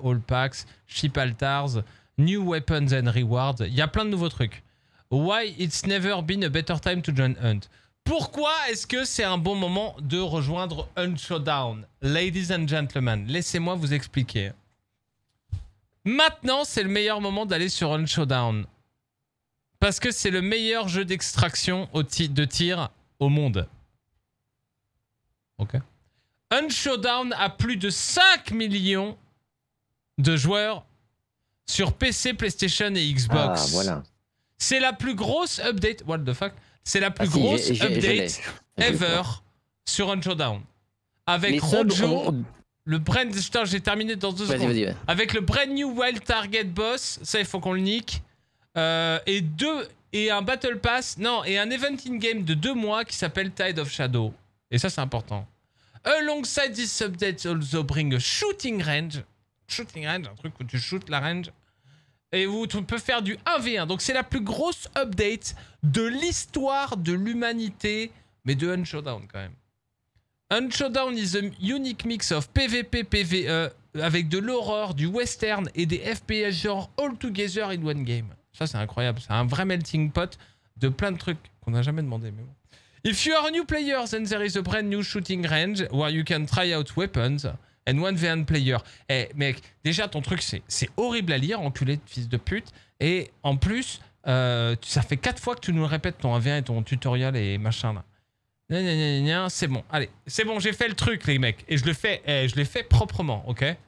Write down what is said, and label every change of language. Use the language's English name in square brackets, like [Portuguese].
[English] All Packs, Ship Altars, New Weapons and Rewards. [French] Il y a plein de nouveaux trucs. [English] Why it's never been a better time to join Hunt. [French] Pourquoi est-ce que c'est un bon moment de rejoindre Hunt Showdown? [English] Ladies and gentlemen, [French] laissez-moi vous expliquer. Maintenant, c'est le meilleur moment d'aller sur Hunt Showdown. Parce que c'est le meilleur jeu d'extraction de tir au monde. Ok. Hunt Showdown a plus de 5 millions de joueurs sur PC, PlayStation et Xbox. Ah, voilà. C'est la plus grosse update. [English] What the fuck? [French] C'est la plus grosse update ever sur Hunt Showdown. Avec Rojo, le brand. Putain, j'ai terminé dans deux secondes. Vas-y. Avec le brand new Wild Target Boss. Ça, il faut qu'on le nique. Et deux. Et un Battle Pass. Non, et un event in-game de 2 mois qui s'appelle Tide of Shadow. Et ça, c'est important. [English] Alongside this update, also bring a shooting range. [French] Shooting range, un truc où tu shoots la range. Et où tu peux faire du 1v1. Donc, c'est la plus grosse update de l'histoire de l'humanité, mais de Hunt Showdown quand même. [English] Hunt Showdown is a unique mix of PvP, PvE, [French] avec de l'horreur, du western et des FPS genre [English] all together in one game. [French] Ça, c'est incroyable. C'est un vrai melting pot de plein de trucs qu'on n'a jamais demandé. Mais bon. [English] If you are a new player, then there is a brand new shooting range where you can try out weapons. And 1v1 player. [French] Eh, hey, mec, déjà, ton truc, c'est horrible à lire, enculé de fils de pute. Et en plus, ça fait 4 fois que tu nous répètes ton 1v1 et ton tutoriel et machin, là. Gna, gna, gna, gna, c'est bon. Allez, c'est bon, j'ai fait le truc, les mecs. Et je le fais, hey, je l'ai fait proprement, ok?